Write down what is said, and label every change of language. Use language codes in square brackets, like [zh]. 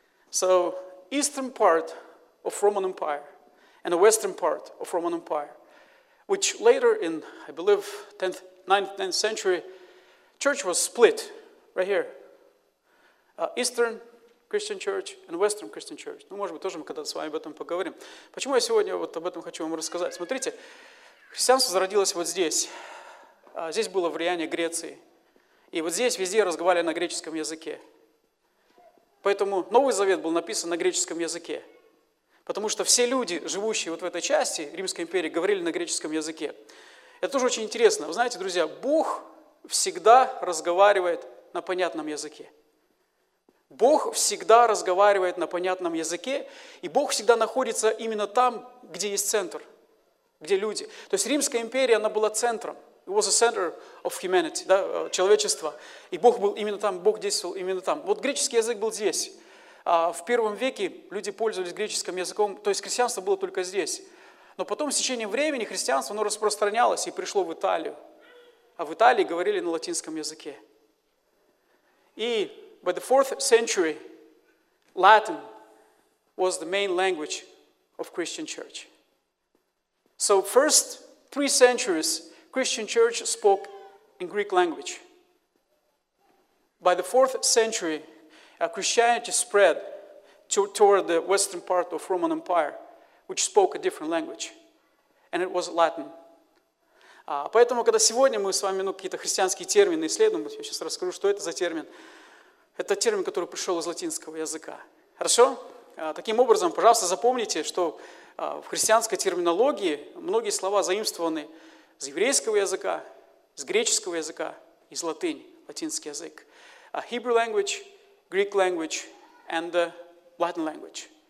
[en] So, eastern part of Roman Empire and the western part of Roman Empire, which later in, I believe, 9th century, church was split right here. Eastern Christian Church and Western Christian Church. [ru] Ну, может быть, тоже мы когда-то с вами об этом поговорим. Почему я сегодня вот об этом хочу вам рассказать? Смотрите, христианство зародилось вот здесь. Здесь было влияние Греции. И вот здесь везде разговаривали на греческом языке. Поэтому Новый Завет был написан на греческом языке. Потому что все люди, живущие вот в этой части Римской империи, говорили на греческом языке. Это тоже очень интересно. Вы знаете, друзья, Бог всегда разговаривает на понятном языке. Бог всегда разговаривает на понятном языке, и Бог всегда находится именно там, где есть центр, где люди. То есть Римская империя, она была центром. [en] It was the center of humanity, [ru] да, человечество. И Бог был именно там, Бог действовал именно там. Вот греческий язык был здесь. А в первом веке люди пользовались греческим языком, то есть христианство было только здесь. Но потом с течением времени христианство, оно распространялось и пришло в Италию. А в Италии говорили на латинском языке. [en] И by the 4th century, Latin was the main language of Christian church. So first 3 centuries, Christian church spoke in Greek language. By the 4th century, Christianity spread toward the western part of Roman Empire, which spoke a different language, and it was Latin. [ru] Поэтому, когда сегодня мы с вами какие-то христианские термины исследуем, я сейчас расскажу, что это за термин. Это термин, который пришел из латинского языка. Хорошо? Таким образом, пожалуйста, запомните, что в христианской терминологии многие слова заимствованы из еврейского языка, из греческого языка, из латынь, латинский язык. [en] Hebrew language, Greek language and the Latin language.